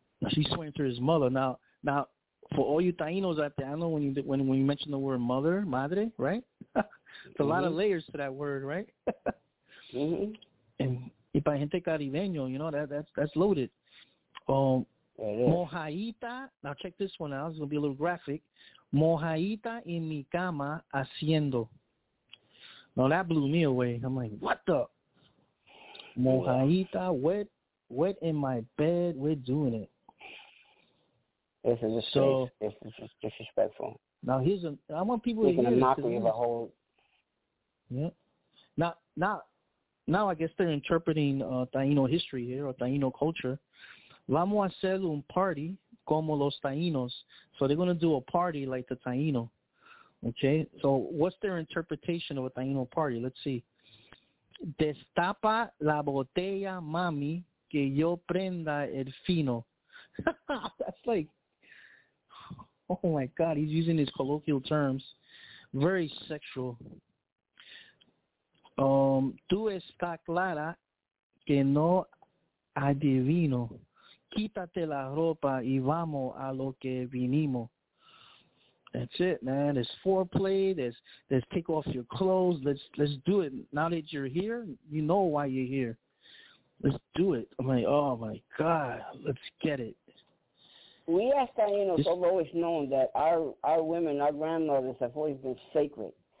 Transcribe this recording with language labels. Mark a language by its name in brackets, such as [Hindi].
[English] She's swearing to his mother. Now, for all you Taínos out there, I know when you mention the word mother, madre, right? There's a lot of layers to that word, right? Mm-hmm. And [Spanish] para gente caribeño, [English] you know, that's loaded. Mojaita, now check this one out. It's going to be a little graphic. [Spanish] Mojaita en mi cama haciendo. [English] Now, that blew me away. I'm like, what the? Mojaita, wet in my bed. We're doing it. This is disrespectful. Now here's I want people to hear this. Making a mockery of a whole. Yeah. Now I guess they're interpreting Taíno history here or Taíno culture. [Spanish] Vamos a hacer un party como los Taínos. [English] So they're gonna do a party like the Taíno. Okay. So what's their interpretation of a Taíno party? Let's see. [Spanish] Destapa la botella, mami, que yo prenda el fino. [English] That's like. Oh, my God. He's using his colloquial terms. Very sexual. [Spanish] Tú está clara que no adivino. Quítate la ropa y vamos a lo que vinimos. [English] That's it, man. It's foreplay. There's take off your clothes. Let's do it. Now that you're here, you know why you're here. Let's do it. I'm like, oh, my God. Let's get it. We as Taínos have always known that our women, our grandmothers, have always been sacred.